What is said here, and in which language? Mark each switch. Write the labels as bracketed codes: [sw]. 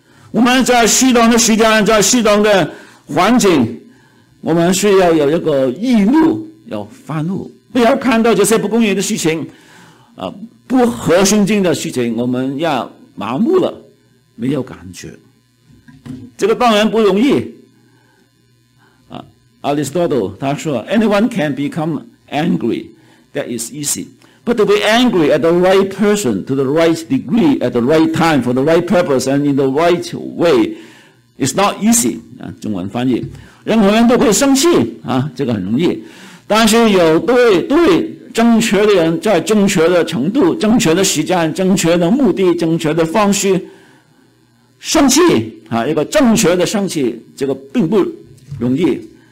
[zh] 我们在适当的时间，在适当的环境，我们需要有一个义怒，要发怒，不要看到这些不公义的事情不合圣经的事情，我们要麻木了，没有感觉。这个当然不容易。 [en] Aristotle [zh] 他说 [en] ,anyone can become angry, that is easy. But to be angry at the right person, to the right degree, at the right time, for the right purpose, and in the right way, is not easy. [zh] 中文翻译。任何人都会生气这个很容易。但是有对正确的人，在正确的程度，正确的时间，正确的目的，正确的方式，生气啊，一个正确的生气，这个并不容易。